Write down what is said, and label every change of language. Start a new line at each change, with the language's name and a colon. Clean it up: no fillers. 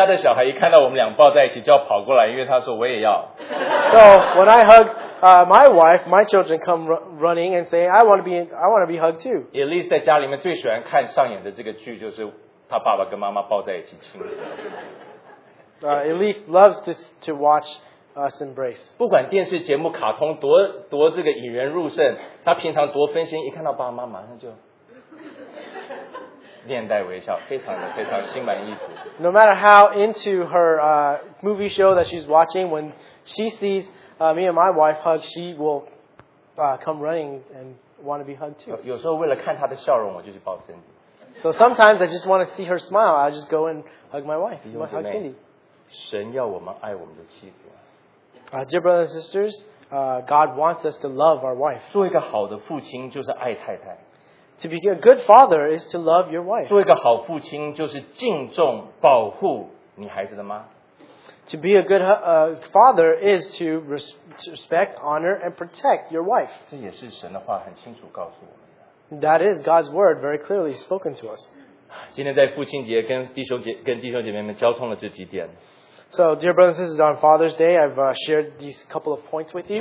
Chinese: 我们家的小孩一看到我们俩抱在一起，就要跑过来，因为他说我也要。
English: So when I hug my wife, my children come running and say, "I want to be hugged too." At least
Chinese: 在家里面最喜欢看上演的这个剧，就是他爸爸跟妈妈抱在一起亲。
English: At least loves to watch us embrace.
Chinese: 不管电视节目、卡通多这个引人入胜，他平常多分心，一看到爸爸妈妈，马上就。面带微笑，非常的心满意足。
English: No matter how into her movie show that she's watching, when she sees me and my wife hug, she will come running and want to be hugged too.
Chinese: 有时候为了看她的笑容，我就去抱Cindy。
English: So sometimes I just want to see her smile, I just go and hug my wife.
Chinese: 弟兄姐妹, 神要我们爱我们的妻子。
English: Dear brothers and sisters, God wants us to love our wife.
Chinese: 做一个好的父亲就是爱太太。
English: To be a good father is to love your wife.
Chinese: 做一个好父亲就是敬重保护你孩子的妈。
English: To be a good father is to respect, honor, and protect your wife.
Chinese: 这也是神的话很清楚告诉我们的。
English: That is God's word very clearly spoken to us.
Chinese: 今天在父亲节跟弟兄姐妹们交通了这几点。
English: So, dear brothers and sisters, on Father's Day, I've shared these couple of points with you.